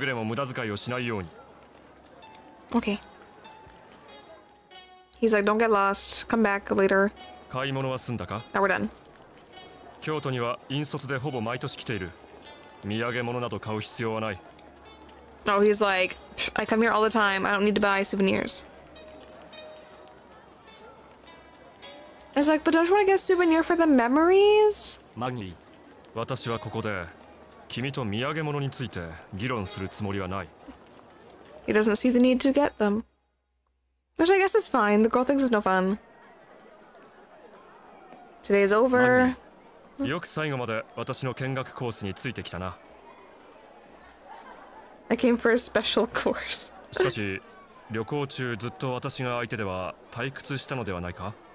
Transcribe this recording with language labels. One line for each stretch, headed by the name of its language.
Japanese: 旅先だからといってくれぐれも無駄遣いをしないように。
English: Okay. He's like, don't get lost. Come back later.
Japanese: 買い物は済んだか?
English: Now we're done.
Japanese: 京都には引率でほぼ毎年来ている。土産物など買う必要はない。
English: Oh, he's like, I come here all the time. I don't need to buy souvenirs. It's like, but don't you want to get a souvenir for the memories?
Japanese: マギ、私はここで。君と土産物について議論するつもりはない。
English: He doesn't see the need to get them. Which I guess is fine. The girl thinks it's no fun. Today is over.
Japanese: よく最後まで私の見学コースについてきたな。
English: I came for a special course.
Japanese: しかし、旅行中ずっと私が相手では退屈したのではないか?